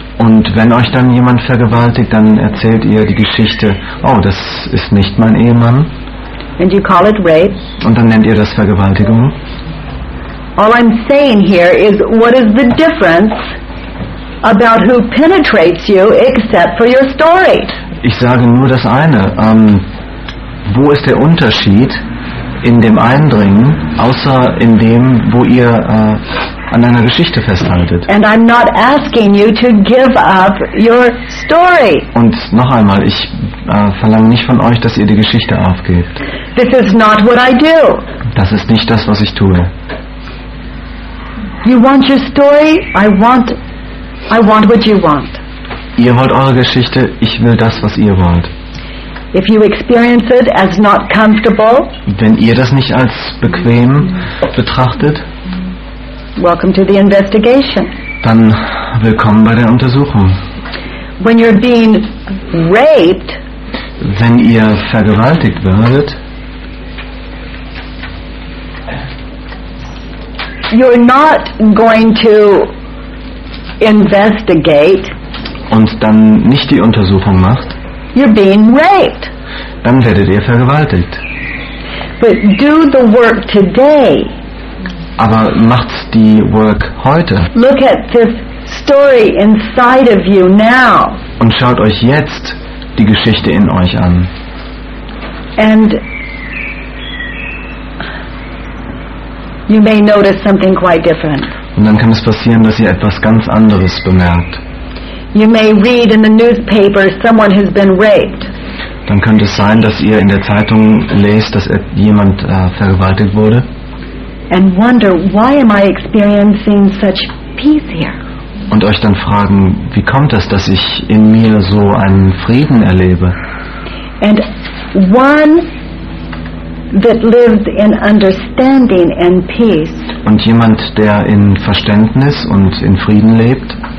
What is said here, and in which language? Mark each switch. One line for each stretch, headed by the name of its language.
German: Und wenn euch dann jemand vergewaltigt, dann erzählt ihr die Geschichte, oh, das ist nicht mein Ehemann.
English: And you call it rape.
German: Und dann nennt ihr das Vergewaltigung.
English: All I'm saying here is, what is the difference about who penetrates you except for your story?
German: Ich sage nur das eine. Wo ist der Unterschied in dem Eindringen, außer in dem, wo ihr an einer Geschichte festhaltet?
English: And I'm not asking you to give up your story.
German: Und noch einmal, ich verlange nicht von euch, dass ihr die Geschichte aufgebt.
English: This is not what I do.
German: Das ist nicht das, was ich tue.
English: You want your story? I want what you want.
German: Ihr wollt eure Geschichte, ich will das, was ihr wollt.
English: If you experience it as not comfortable,
German: wenn ihr das nicht als bequem betrachtet,
English: welcome to the investigation.
German: Dann willkommen bei der Untersuchung.
English: When you're being raped,
German: wenn ihr vergewaltigt werdet,
English: you're not going to investigate,
German: und dann nicht die Untersuchung macht,
English: you're being raped.
German: Dann werdet ihr vergewaltigt.
English: But do the work today.
German: Aber macht die Work heute.
English: Look at this story inside of you now.
German: Und schaut euch jetzt die Geschichte in euch an.
English: And you may notice something quite different.
German: Und dann kann es passieren, dass ihr etwas ganz anderes bemerkt.
English: You may read in the newspaper someone has been raped.
German: Dann könnte es sein, dass ihr in der Zeitung lest, dass jemand vergewaltigt wurde.
English: And wonder, why am I experiencing such peace here?
German: Und euch dann fragen, wie kommt es, dass ich in mir so einen Frieden erlebe?
English: And one that lives in understanding and peace.
German: Und jemand, der in Verständnis und in Frieden lebt,